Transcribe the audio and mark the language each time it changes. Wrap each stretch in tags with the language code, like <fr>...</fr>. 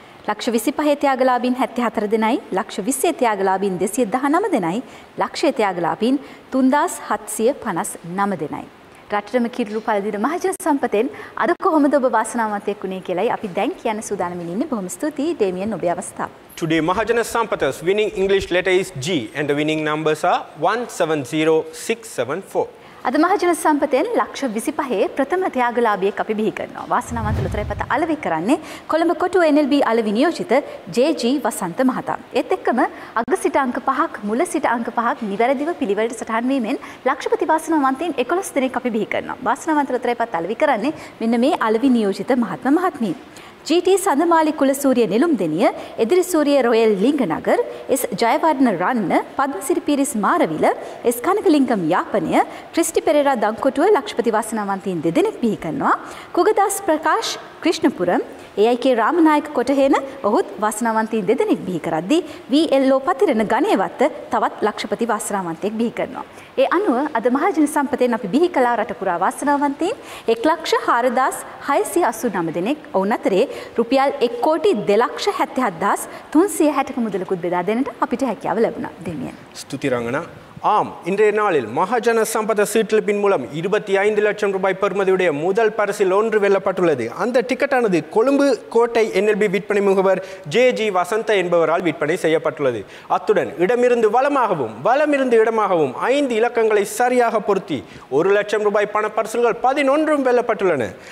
<si>ලක්ෂ 25 ත්‍යාගලාභීන් 74 දෙනයි, ලක්ෂ 20 ත්‍යාගලාභීන් 219 දෙනයි, ලක්ෂ ත්‍යාගලාභීන් 3759 දෙනයි. රටටම කිරුළු පළඳින මහජන සම්පතෙන් අද කොහොමද ඔබ වාසනාවන්ත වුණේ කියලායි අපි දැන් කියන්න සූදානම් ඉන්නේ. බොහොම ස්තුතියි ඩේමියන් ඔබේ අවස්ථාව.</si> <en>Today Mahajana Sampathas winning English letter is G and the winning numbers are 170674.</en> <si>අද මහජන සම්පතෙන් ලක්ෂ 25 ප්‍රථම ත්‍යාගලාභියෙක් අපි බිහි කරනවා. වාසනාවන්ත ලොතරැයි පත අලෙවි කරන්නේ කොළඹ කොටුව NLB අලෙවි නියෝජිත JG වසන්ත මහතා. ඒත් එක්කම අග සිට අංක 5ක් මුල සිට අංක 5ක් නිවැරදිව පිළිවෙලට සටහන් වීමෙන් ලක්ෂපති වාසනාවන්තයින් 11 දෙනෙක් අපි බිහි කරනවා. වාසනාවන්ත ලොතරැයි පත අලෙවි කරන්නේ මෙන්න මේ අලෙවි නියෝජිත මහත්ම මහත්මිය. GT Sandamali Kulasuriya නිලුම් දෙනිය, එදිරි Suriya royal ලිංග නගර්, S Jayawardena රන්න, පද්මසිරි පීරිස් මාරවිල, S කනකලිංගම් යාපනය, ක්‍රිස්ටි පෙරේරා දංකොටුව ලක්ෂපති වාසනාවන්තයින් දෙදෙනෙක් බිහි කරනවා, කුගදාස් ප්‍රකාශ් ක්‍රිෂ්ණපුරම්, AIK රාමනායක කොටහේන ඔහුත් වාසනාවන්තයින් දෙදෙනෙක් බිහි කරද්දී, VLO පතිරණ ගණේවත්ත තවත් ලක්ෂපති වාසනාවන්තයෙක් බිහි කරනවා. ඒ අනුව අද මහජන සම්පතෙන් අපි බිහි කළා රටපුරා වාසනාවන්තයින් 104689 දෙනෙක්. ඔවුන් අතරේ රුපියල් 1,27,360ක මුදලකුත් බෙදා දෙන්නට අපිට හැකියාව ලැබුණා. දෙමියන් ස්තුති රංගනා.</si> <ta>ஆம், இன்றைய நாளில் மகாஜன சம்பத சீட்டிலிப்பின் மூலம் 25 லட்சம் ரூபாய் பெறுமதியுடைய முதல் பரிசில் ஒன்று வெல்லப்பட்டுள்ளது. அந்த டிக்கெட்டானது கொழும்பு கோட்டை NLB விற்பனை முகவர் JG வசந்த என்பவரால் விற்பனை செய்யப்பட்டுள்ளது. அத்துடன் இடமிருந்து வளமாகவும் வளமிருந்து இடமாகவும் 5 இலக்கங்களை சரியாக பொருத்தி 1 லட்சம் ரூபாய் பண பரிசுகள் 11 வெல்லப்பட்டுள்ளன.</ta>